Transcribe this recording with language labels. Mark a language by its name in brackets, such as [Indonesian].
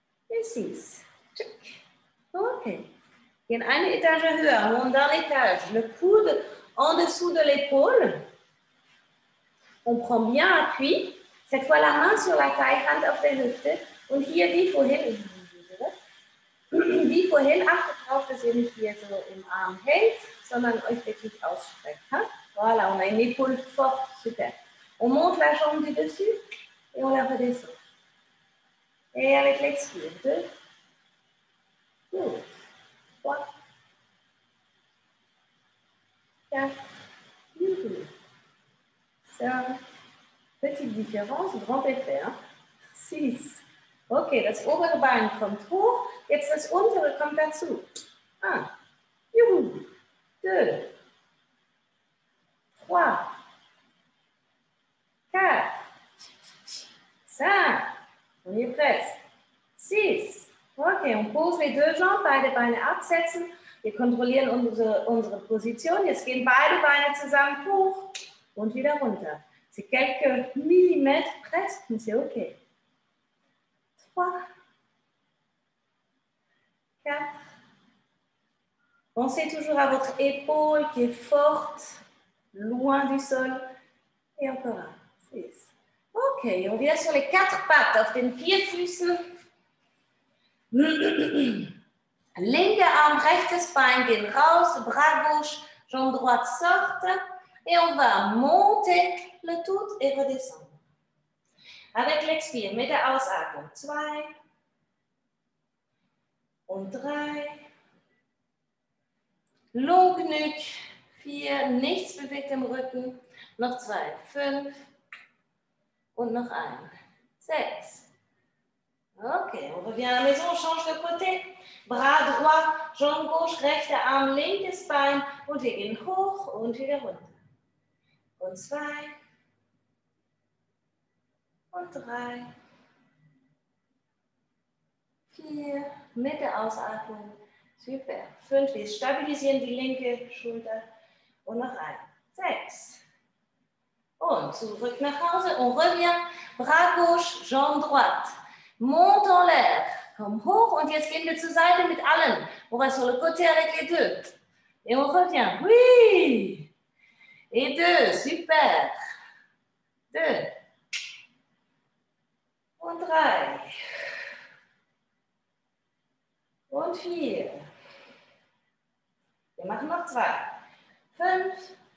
[French] Et six. [German] Check. Ok. Gehen eine Etage höher. [French] Monte un étage. Le coude en dessous de l'épaule. On prend bien appui. Cette fois, la main sur la taille. [German] Hand auf der Hüfte. Und hier, wie vorhin. Wie vorhin, achtet darauf, dass ihr nicht hier so im Arm hält, sondern euch wirklich ausstreckt. Hein? [French] Voilà, on a une épaule forte, super. On monte la jambe du dessus et on la redescend. Et avec l'expire, deux, deux, trois, quatre, cinq. Petite différence, grand effet, hein? Six. [German] Ok, das obere Bein kommt hoch, jetzt das untere kommt dazu. [French] Un, juhu, deux, trois, quatre, cinq, on y est presque, six. [German] Ok, [French] on pose les deux jambes, [German] beide Beine absetzen, wir kontrollieren unsere Position, jetzt gehen beide Beine zusammen hoch und wieder runter. [French] C'est quelques millimètres presque, mais c'est ok. 3, 4, pensez toujours à votre épaule qui est forte, loin du sol, et encore un, 6, ok, on vient sur les quatre pattes, [German] auf den vier Füßen, linker Arm, rechtes Bein, gehen raus, [French] bras gauche, jambe droite, sorte, et on va monter le tout et redescendre. Avec l'expire, [German] mit der Ausatmung. Zwei. Und drei. Long genug. Vier. Nichts bewegt im Rücken. Noch zwei. Fünf. Und noch ein. Sechs. [French] Okay, on revient à la maison. On change de côté. Bras droit, jambe gauche, [German] rechter Arm, linkes Bein. Und wir gehen hoch und wieder runter. Und zwei. Und drei, vier, mit der Ausatmung, super. Fünf, wir stabilisieren die linke Schulter und noch ein, sechs. Und zurück nach Hause, [French] on revient, bras gauche, jambe droite. Monte en l'air, [German] komm hoch und jetzt gehen wir zur Seite mit allen. [French] On reste sur le côté avec les deux. Et on revient, oui. Et deux, super. Deux. [German] Und drei. Und vier. Wir machen noch zwei. Fünf.